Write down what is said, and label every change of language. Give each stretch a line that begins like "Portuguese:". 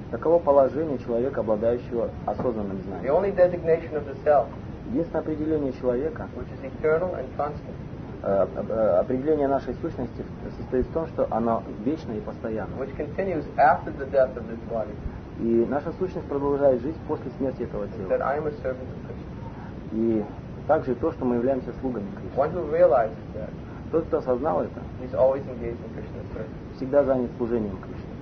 Russian: Таково положение человека, обладающего осознанным знанием.
English: The only designation of the self.
Russian: Единственное определение человека.
English: Which is eternal and constant.
Russian: Определение нашей сущности состоит в том, что она вечна и постоянна.
English: Which continues after the death of this body.
Russian: И наша сущность продолжает жизнь после смерти этого тела.
English: That I am a servant of Krishna.
Russian: И также то, что мы являемся слугами Кришны.
English: One who realizes that.
Russian: Тот, кто осознал это,
English: he's always engaged in Krishna's service.
Russian: Всегда занят служением Кришне.